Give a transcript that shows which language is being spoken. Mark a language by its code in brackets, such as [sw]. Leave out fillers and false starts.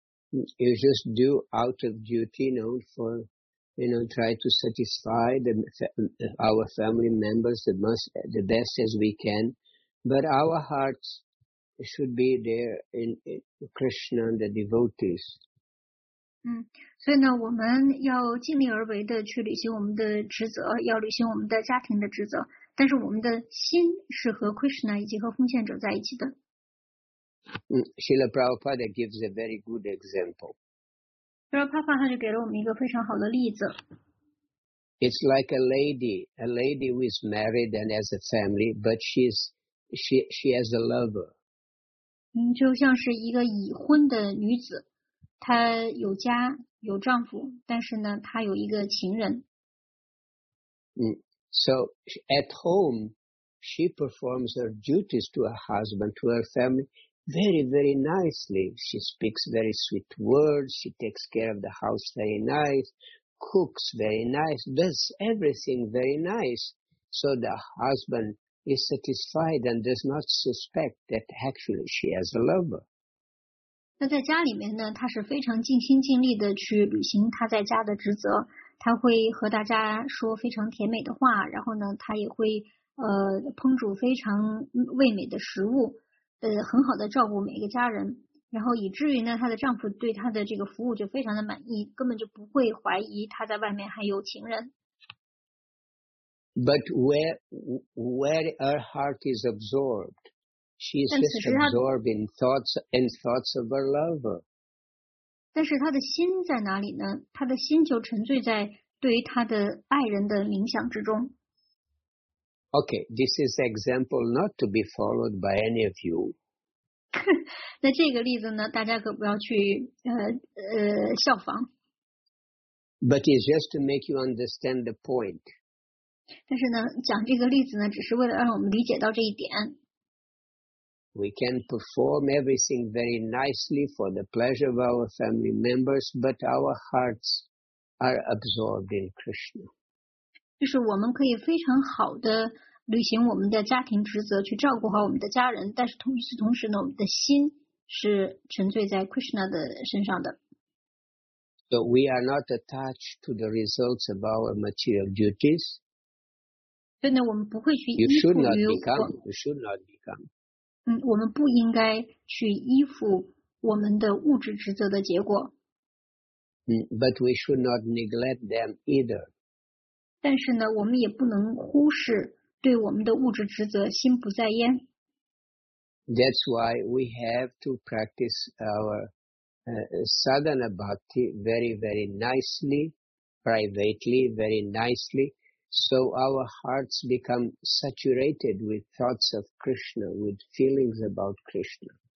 [en] You just do out of duty, you know, for, you know, try to satisfy our family members the best as we can. But our hearts should be there in Krishna and the devotees. [zh] 所以呢，我们要尽力而为的去履行我们的职责，要履行我们的家庭的职责。但是我们的心是和 Krishna 以及和奉献者在一起的。 [en] Srila Prabhupada gives a very good example. [zh] Srila Prabhupada 就给了我们一个非常好的例子。 [en] It's like a lady who is married and has a family, but she has a lover. [zh] 就像是一个已婚的女子，她有家，有丈夫，但是呢，她有一个情人。 [en] So at home, she performs her duties to her husband, to her family, very, very nicely. She speaks very sweet words. She takes care of the house very nice, cooks very nice, does everything very nice. So the husband is satisfied and does not suspect that actually she has a lover. [zh] 那在家里面呢，她是非常尽心尽力地去履行她在家的职责。她会和大家说非常甜美的话，然后呢，她也会烹煮非常味美的食物，很好的照顾每一个家人，然后以至于呢，她的丈夫对她的这个服务就非常的满意，根本就不会怀疑她在外面还有情人。 [en] But where her heart is absorbed, she is just absorbed in thoughts of her lover. [zh] 但是她的心在哪里呢？她的心就沉醉在对于她的爱人的冥想之中。 [en] Okay, this is an example not to be followed by any of you. [zh] 那这个例子呢，大家可不要去效仿。 [en] But it's just to make you understand the point. [zh] 但是呢，讲这个例子呢，只是为了让我们理解到这一点。 [en] We can perform everything very nicely for the pleasure of our family members, but our hearts are absorbed in Krishna. [zh] 就是我们可以非常好的履行我们的家庭职责，去照顾好我们的家人，但是与此同时呢，我们的心是沉醉在 Krishna 的身上的。 [en] So we are not attached to the results of our material duties. [zh] 所以呢，我们不会去依附于 [en] You should not become. [zh] 我们不应该去依附我们的物质职责的结果。 [en] But we should not neglect them either. [zh] 但是呢，我们也不能忽视对我们的物质职责心不在焉。 [en] That's why we have to practice our sadhana bhakti very, very nicely, privately, very nicely. So our hearts become saturated with thoughts of Krishna, with feelings about Krishna.